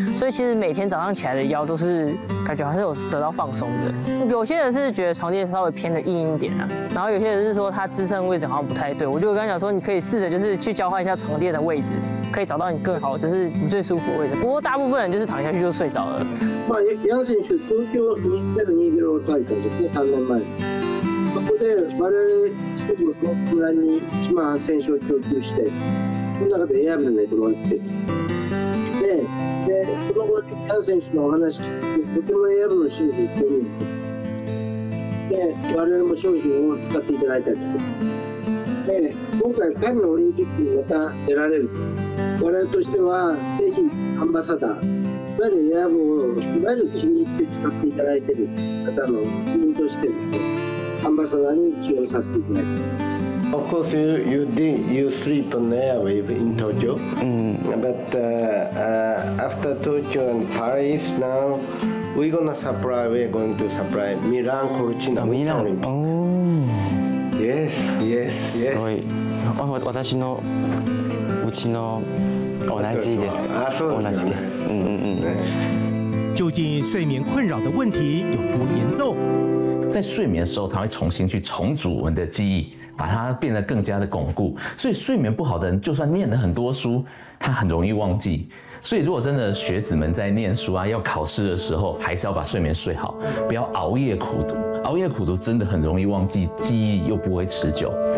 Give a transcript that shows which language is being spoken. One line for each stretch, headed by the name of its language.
Chinese: 所以其实每天早上起来的腰都是感觉还是有得到放松的。有些人是觉得床垫稍微偏的硬一点啊，然后有些人是说他支撑位置好像不太对，我就跟他讲说你可以试着就是去交换一下床垫的位置，可以找到你更好就是你最舒服的位置。不过大部分人就是躺下去就睡着了。
Japanese: まあ、平原選手東京2020大会ですね、3年前。そこで我々チームの村に一番選手を供給して、その中でエアブルネットもらって。その後、平原選手のお話聞いて、とてもエアブルの修理に行っているんで、我々も商品を使っていただいたりする。で、今回パリのオリンピックにまた出られる。我々としては、ぜひアンバサダー。いわゆるエアブをいわゆる気に入って使っていただいている方の一員としてですね、アンバサダーに起用させていただいています。
English: Of course, you sleep on airwave in Tokyo,、mm-hmm. but after Tokyo and Paris, now we're gonna supply. We're going to supply Milan Cortina. Milan. Oh. Yes. Yes. Yes.
Japanese: Oh, 私のうちの同じです。あ、そうですね。同じです。
Chinese: 究竟睡眠困扰的问题有多严重？在睡眠的时候，它会重新去重组我们的记忆。把它变得更加的巩固，所以睡眠不好的人就算念了很多书他很容易忘记，所以如果真的学子们在念书啊要考试的时候还是要把睡眠睡好，不要熬夜苦读，熬夜苦读真的很容易忘记，记忆又不会持久。